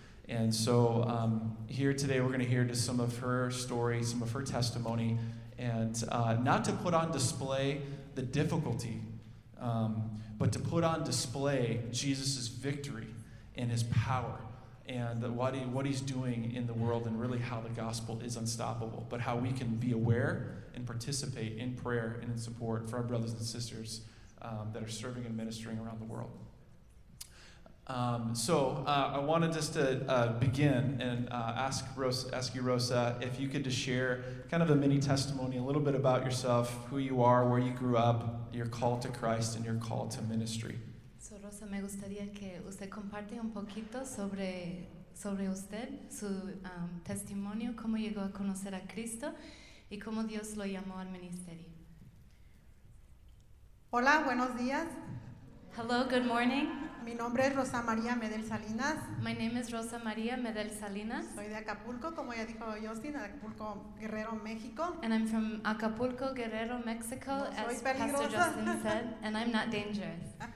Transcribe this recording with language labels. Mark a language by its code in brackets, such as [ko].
[en] And so here today we're going to hear just some of her story, some of her testimony, and not to put on display the difficulty, but to put on display Jesus' victory and his power, and what he's doing in the world, and really how the gospel is unstoppable, but how we can be aware and participate in prayer and in support for our brothers and sisters that are serving and ministering around the world. I wanted just to begin and ask you, Rosa, if you could just share kind of a mini testimony, a little bit about yourself, who you are, where you grew up, your call to Christ, and your call to ministry. [es] Rosa, me gustaría que usted comparte un poquito sobre usted, su testimonio, cómo llegó a conocer a Cristo y cómo Dios lo llamó al ministerio. Hola, buenos días. [en] Hello, good morning. [es] Mi nombre es Rosa María Medel Salinas. [en] My name is Rosa María Medel Salinas. [es] Soy de Acapulco, como ya dijo Justin, Acapulco, Guerrero, México. [en] And I'm from Acapulco, Guerrero, Mexico, no, as Pastor Justin said, and I'm not dangerous.